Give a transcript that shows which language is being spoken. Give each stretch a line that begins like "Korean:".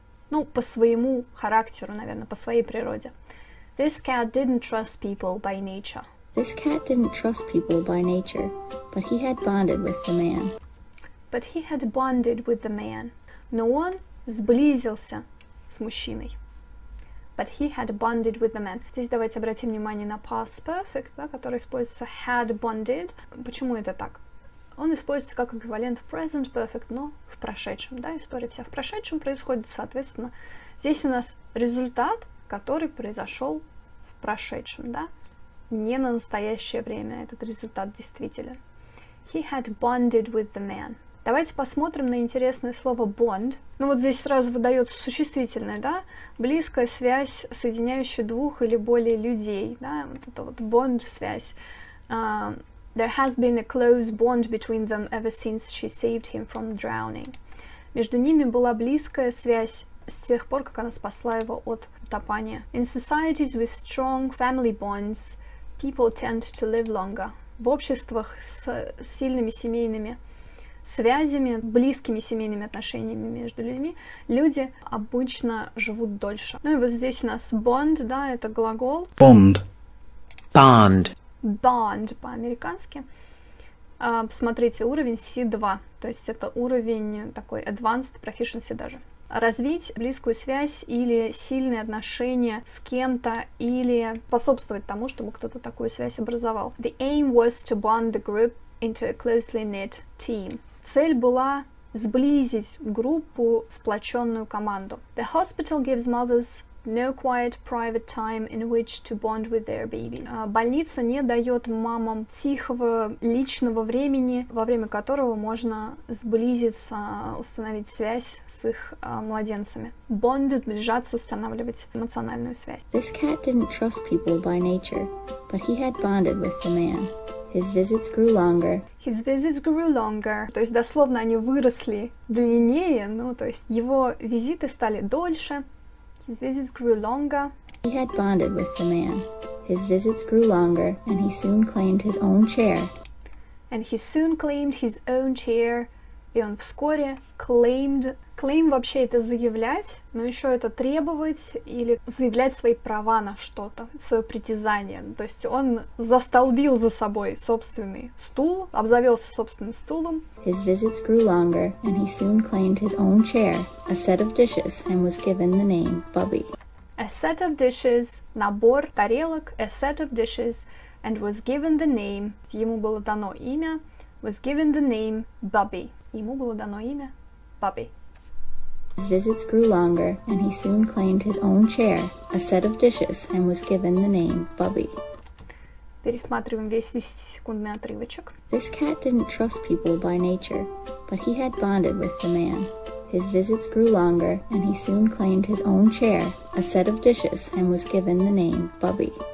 Russian: Ну, по своему характеру, наверное, по своей природе.
English: This cat didn't trust people by nature. This cat didn't trust people by nature, but he had bonded with the man. But he had bonded with the man.
Russian: Но он сблизился с мужчиной.
English: But he had bonded with the man.
Russian: Здесь давайте обратим внимание на past perfect, да, который используется had bonded. Почему это так? Он используется как эквивалент present perfect, но в прошедшем. Да, история вся в прошедшем происходит, соответственно. Здесь у нас результат, который произошел в прошедшем, да? Не на настоящее время этот результат действителен.
English: He had bonded with the man.
Russian: Давайте посмотрим на интересное слово bond. Ну вот здесь сразу выдается существительное, да? Близкая связь, соединяющая двух или более людей, да? Вот это вот bond, связь.
English: There has been a close bond between them ever since she saved him from drowning.
Russian: Между ними была близкая связь с тех пор, как она спасла его от утопания.
English: In societies with strong family bonds, people tend to live longer.
Russian: В обществах с сильными семейными связями, близкими семейными отношениями между людьми, люди обычно живут дольше. Ну и вот здесь у нас bond, да, это глагол.
English: Bond. Bond.
Russian: Bond по-американски. Посмотрите, уровень C2, то есть это уровень такой advanced proficiency даже. Развить близкую связь или сильные отношения с кем-то, или способствовать тому, чтобы кто-то такую связь образовал.
English: The aim was to bond the group into a closely knit team.
Russian: Цель была сблизить группу в сплоченную команду.
English: The hospital gives mothers no quiet private time in which to bond with their baby.
Russian: Больница не дает мамам тихого личного времени, во время которого можно сблизиться, установить связь с их младенцами. Bond, сближаться, устанавливать эмоциональную связь.
English: This cat didn't trust people by nature, but he had bonded with the man. His visits grew longer. His visits grew longer.
Russian: То есть дословно они выросли длиннее, ну то есть его визиты стали дольше.
English: His visits grew longer. He had bonded with the man. His visits grew longer, and he soon claimed his own chair. And he soon claimed his own chair.
Russian: И он вскоре
English: claimed.
Russian: Claim вообще это заявлять, но еще это требовать или заявлять свои права на что-то, свое притязание. То есть он застолбил за собой собственный стул, обзавелся собственным стулом.
English: His visits grew longer, and he soon claimed his own chair, a set of dishes, and was given the name Bubby. A set of dishes,
Russian: набор тарелок,
English: a set of dishes, and was given the name,
Russian: ему было дано имя,
English: was given the name Bubby.
Russian: Ему было дано имя Бабби.
English: His visits grew longer, and he soon claimed his own chair, a set of dishes, and was given the name Bubby.
Russian: Пересматриваем весь 10-секундный отрывочек.
English: This cat didn't trust people by nature, but he had bonded with the man. His visits grew longer, and he soon claimed his own chair, a set of dishes, and was given the name Bubby.